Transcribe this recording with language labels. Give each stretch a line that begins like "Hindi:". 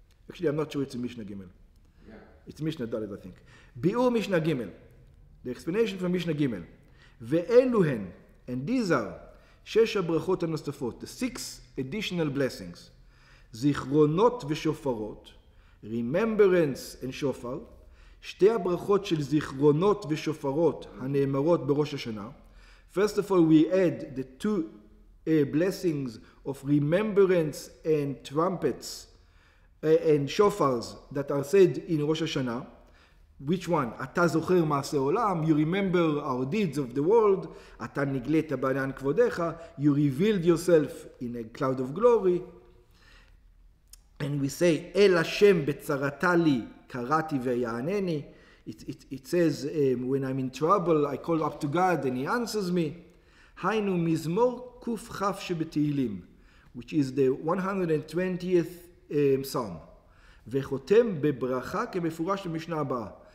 English: Actually, I'm not sure it's in Mishnah Gimel. Yeah. It's Mishnah Dalet, I think. Biur Mishnah Gimel. The explanation from Mishnah Gimel.
Hebrew: Ve'elu hen,
English: and these are
Hebrew: shesh ha-brachot ha-nostafot,
English: the six additional blessings.
Hebrew: Zichronot ve-shofarot,
English: remembrance and shofar,
Hebrew: שתי הברכות של זיכרונות ושופרות הנאמרות בראש השנה.
English: First of all, we add the two blessings of remembrance and trumpets and shofars that are said in Rosh Hashanah. Which one?
Hebrew: אתה זוכר מעשה עולם,
English: you remember our deeds of the world,
Hebrew: אתה נגלית בענן כבודך,
English: you revealed yourself in a cloud of glory. And we say,
Hebrew: אל השם בצרתה לי, קראתי ויענני.
English: It says, when I'm in trouble, I call up to God and he answers me.
Hebrew: היינו מזמור קוף חף שבתהילים,
English: which is the 120th psalm.
Hebrew: וחותם בברכה כמפורש במשנה הבאה.